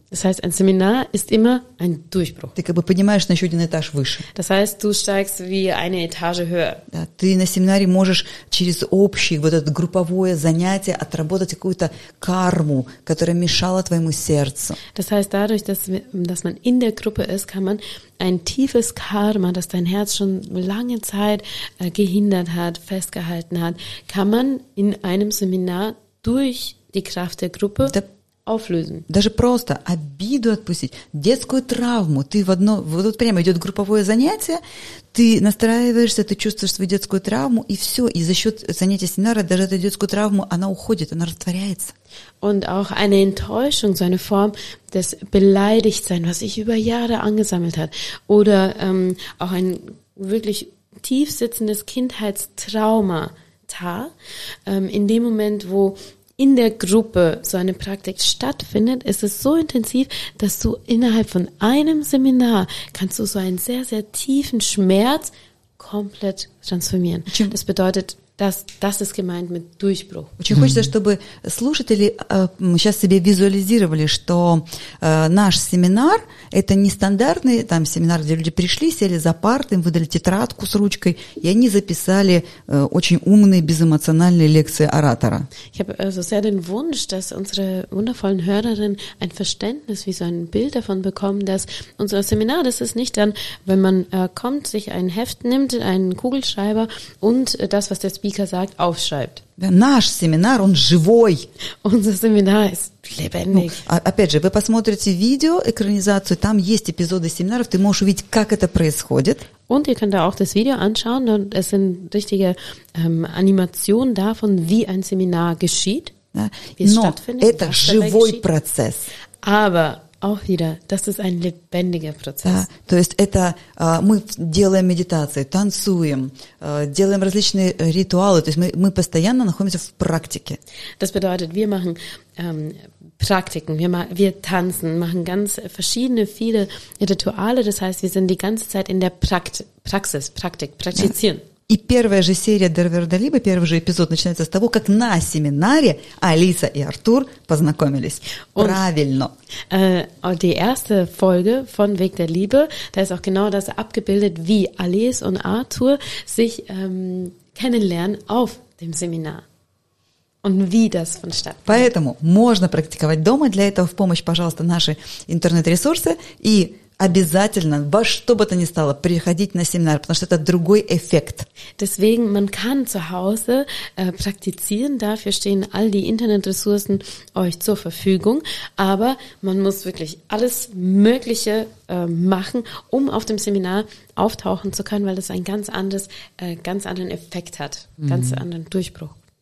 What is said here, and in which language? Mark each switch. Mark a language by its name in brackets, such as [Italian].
[German] Das heißt, ein Seminar ist immer ein Durchbruch. [Russian] Ты как бы поднимаешь на еще один этаж выше. [German] Das heißt, du steigst wie eine Etage höher. [Russian] Да, ты на семинаре можешь через общее вот это групповое занятие отработать какую-то карму, которая мешала твоему сердцу. [German] Das heißt, dadurch, dass man in der Gruppe ist, kann man ein tiefes Karma, das dein Herz schon lange Zeit gehindert hat, festgehalten hat, kann man in einem Seminar durch die Kraft der Gruppe auflösen. [Russian] Даже просто обиду отпустить, детскую травму. Ты в одно, вот прямо идет групповое занятие, ты настраиваешься, ты чувствуешь свою детскую травму, и все. И за счет занятия семинара даже эту детскую травму, она уходит, она растворяется. [German] Und auch eine Enttäuschung, so eine Form des Beleidigtsein, was sich über Jahre angesammelt hat. Oder auch ein wirklich tief sitzendes Kindheitstrauma, in dem Moment, wo in der Gruppe so eine Praktik stattfindet, ist es so intensiv, dass du innerhalb von einem Seminar kannst du so einen sehr, sehr tiefen Schmerz komplett transformieren. Das bedeutet, dass das ist gemeint mit Durchbruch. [Russian] Очень хочется, чтобы слушатели сейчас себе визуализировали, что наш семинар – это не стандартный там семинар, где люди пришли, сели за парты, им выдали тетрадку с ручкой, и они записали очень умные, безэмоциональные лекции оратора. [German] Ich habe also sehr den Wunsch, dass unsere wundervollen Hörerinnen ein Verständnis, wie so ein Bild davon bekommen, dass unser Seminar, das ist nicht dann, wenn man kommt, sich ein Heft nimmt, einen Kugelschreiber und das, was der Speaker sagt, aufschreibt. [Russian] Да, наш семинар, он живой. [German] Unser Seminar ist lebendig. [Russian] Ну, опять же, вы посмотрите видео, экранизацию, там есть эпизоды семинаров, ты можешь увидеть, как это происходит. [German] Und ihr könnt da auch das Video anschauen, und es sind richtige Animationen davon, wie ein Seminar geschieht, [Russian] да. [German] Wie es [Russian] Но [German] stattfindet. [Russian] Это живой процесс. [German] Aber auch wieder, das ist ein lebendiger Prozess. [Russian] Да, то есть это мы делаем медитации, танцуем, делаем различные ритуалы, то есть мы постоянно находимся в практике. [German] Das bedeutet, wir machen Praktiken, wir tanzen, machen ganz verschiedene, viele Rituale, das heißt, wir sind die ganze Zeit in der Praxis, Praktik, praktizieren. [Russian] Да. И первая же серия Дарвердалиба, первый же эпизод начинается с того, как на семинаре Алиса и Артур познакомились. [German] Und, [Russian] правильно. [German] Die erste Folge von Weg der Liebe, da ist auch genau das abgebildet, wie Alice und Arthur sich kennenlernen auf dem Seminar. Und wie das vonstatten. [Russian] Поэтому можно практиковать дома, для этого в помощь, пожалуйста, наши интернет-ресурсы и обязательно, во что бы то ни стало, приходить на семинар, потому что это другой эффект. [German] Deswegen, man kann zu Hause praktizieren, dafür stehen all die Internetressourcen euch zur Verfügung, aber man muss wirklich alles Mögliche machen, um auf dem Seminar auftauchen zu können, weil das ein ganz anderes, ganz anderen Effekt hat, ganz anderen Durchbruch.